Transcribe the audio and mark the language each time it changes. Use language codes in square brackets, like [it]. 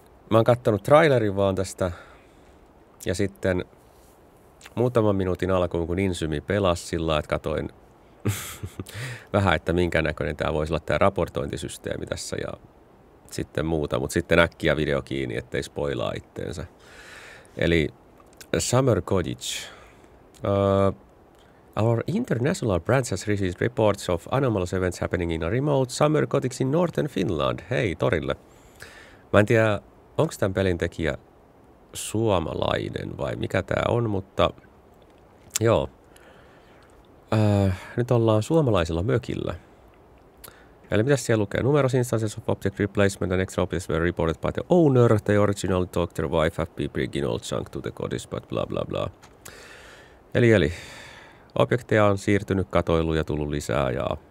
[fi] Mä oon kattonut trailerin vaan tästä ja sitten muutaman minuutin alkuun, kun Insymi pelasi sillä, että katoin vähän, että minkä näköinen tämä voisi olla tämä raportointisysteemi tässä ja sitten muuta, mutta sitten äkkiä video kiinni, ettei spoilaa itteensä. Eli Summer Cottage. [en] Our international branch has received reports of anomalous events happening in a remote Summer Cottage in Northern Finland. [fi] Hei, torille. Mä en tiedä, onko tämän pelin tekijä suomalainen vai mikä tämä on, mutta joo. Nyt ollaan suomalaisella mökillä. Eli mitäs siellä lukee? [en] Numerous instances of object replacement and extra objects were reported by the owner. The original doctor wife have been bringing old junk to the cottage, but bla bla bla. [fi] Eli objekteja on siirtynyt katoiluun ja tullut lisää ja.